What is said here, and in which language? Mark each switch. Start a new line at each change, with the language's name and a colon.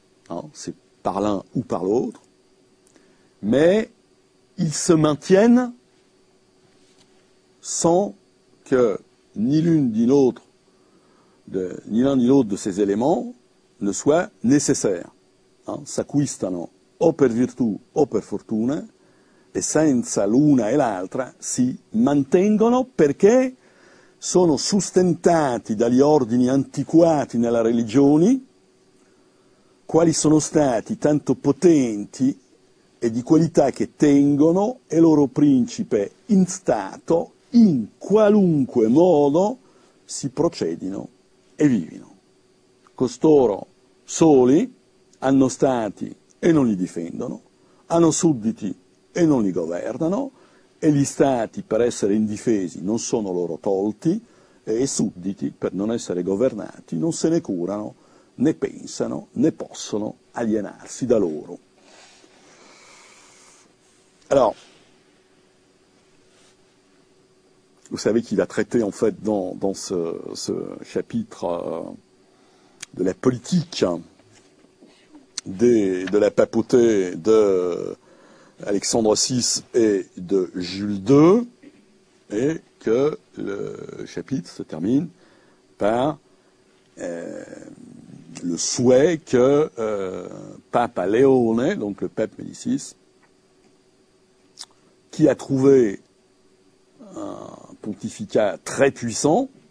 French: Hein, c'est par l'un ou par l'autre, mais ils se maintiennent sans que ni l'un ni l'autre de ces éléments ne soit nécessaire.
Italian: Hein, s'acquistano o per virtù o per fortuna, e senza l'una e l'altra si mantengono perché sono sustentati dagli ordini antiquati nella religione, quali sono stati tanto potenti e di qualità che tengono e loro principe in stato in qualunque modo si procedino e vivino. Costoro soli hanno stati e non li difendono, hanno sudditi e non li governano, e gli stati per essere indifesi non sono loro tolti, e i sudditi per non essere governati non se ne curano, né pensano, né possono alienarsi da loro.
French: Alors, vous savez qu'il a traité en fait dans ce chapitre de la politique de la papauté de Alexandre VI et de Jules II, et que le chapitre se termine par le souhait que Papa Léone, donc le pape Médicis, qui a trouvé un pontificat très puissant,